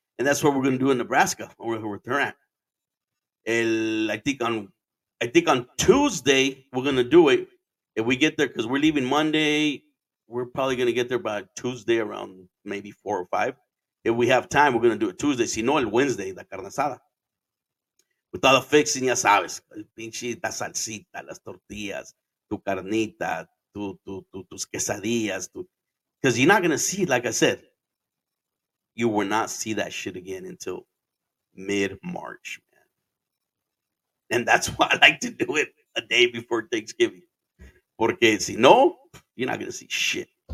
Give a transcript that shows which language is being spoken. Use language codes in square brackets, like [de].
[en] And that's what we're going to do in Nebraska, where we're at. I think on Tuesday, we're going to do it. If we get there, because we're leaving Monday, we're probably going to get there by Tuesday around maybe 4 or 5. If we have time, we're going to do it Tuesday. [es] Si no, el Wednesday, la carne asada. [en] With all the fixing, [es] ya sabes. El pinche, la salsita, las tortillas, tu carnita, tus quesadillas. [en] Because you're not going to see, like I said, you will not see that shit again until mid-March, man. And that's why I like to do it a day before Thanksgiving. [es] Porque si no, [en] you're not going to see shit.